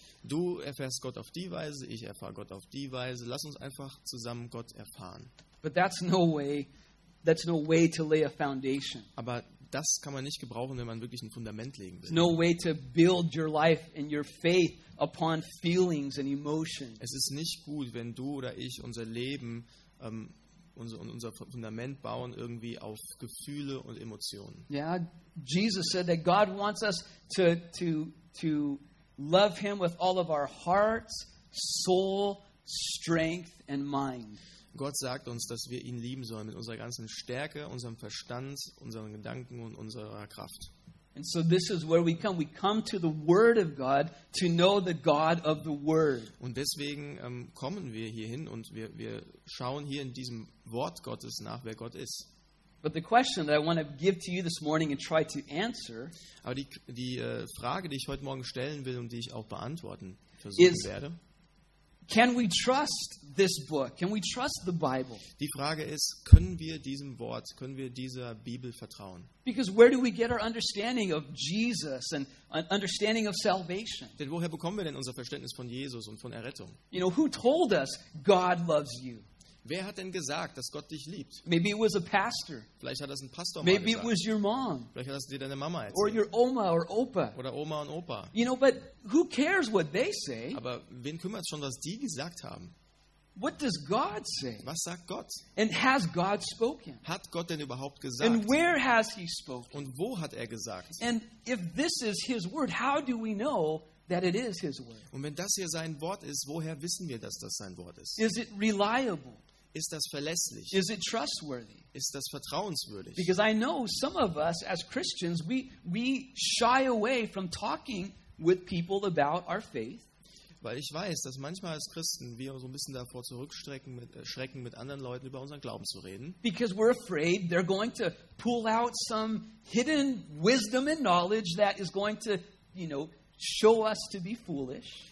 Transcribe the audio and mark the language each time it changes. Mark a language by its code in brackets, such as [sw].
[de] Du erfährst Gott auf die Weise, ich erfahre Gott auf die Weise. Lass uns einfach zusammen Gott erfahren. [en] But that's no way to lay a foundation. [de] Aber das kann man nicht gebrauchen, wenn man wirklich ein Fundament legen will. [en] No way to build your life and your faith upon feelings and emotions. [de] Es ist nicht gut, wenn du oder ich unser Leben unser Fundament bauen irgendwie auf Gefühle und Emotionen. [en] Yeah, Jesus said that God wants us to love him with all of our hearts, soul, strength and mind. [de] Gott sagt uns, dass wir ihn lieben sollen mit unserer ganzen Stärke, unserem Verstand, unseren Gedanken und unserer Kraft. [en] And so this is where we come to the word of God to know the God of the word. [de] Und deswegen kommen wir hierhin und wir schauen hier in diesem Wort Gottes nach, wer Gott ist. [en] But the question that I want to give to you this morning and try to answer, [de] aber die Frage, die ich heute Morgen stellen will und die ich auch beantworten versuchen [en] is, [de] werde, [en] can we trust this book? Can we trust the Bible? [de] Die Frage ist, können wir diesem Wort, können wir dieser Bibel vertrauen? [en] Because where do we get our understanding of Jesus and an understanding of salvation? [de] Denn woher bekommen wir denn unser Verständnis von Jesus und von Errettung? [en] You know, who told us God loves you? [de] Wer hat denn gesagt, dass Gott dich liebt? [en] Maybe it was a pastor. [de] Vielleicht hat das ein Pastor [en] Maybe [de] mal gesagt. [en] Maybe it was your mom. [de] Vielleicht hat das dir deine Mama erzählt. [en] Or your Oma or Opa. [de] Oder Oma und Opa. [en] You know, but who cares what they say? [de] Aber wen kümmert es schon, was die gesagt haben? [en] What does God say? [de] Was sagt Gott? [en] And has God spoken? [de] Hat Gott denn überhaupt gesagt? [en] And where has he spoken? [de] Und wo hat er gesagt? [en] And if this is his word, how do we know that it is his word? [de] Und wenn das hier sein Wort ist, woher wissen wir, dass das sein Wort ist? [en] Is it reliable? [de] Ist das verlässlich? [en] Is it trustworthy? [de] Ist das vertrauenswürdig? [en] Because I know some of us as Christians, we shy away from talking with people about our faith. [de] Weil ich weiß, dass manchmal als Christen wir so ein bisschen davor zurückschrecken, schrecken mit anderen Leuten über unseren Glauben zu reden. [en] Because we're afraid they're going to pull out some hidden wisdom and knowledge that is going to, you know, show us to be foolish.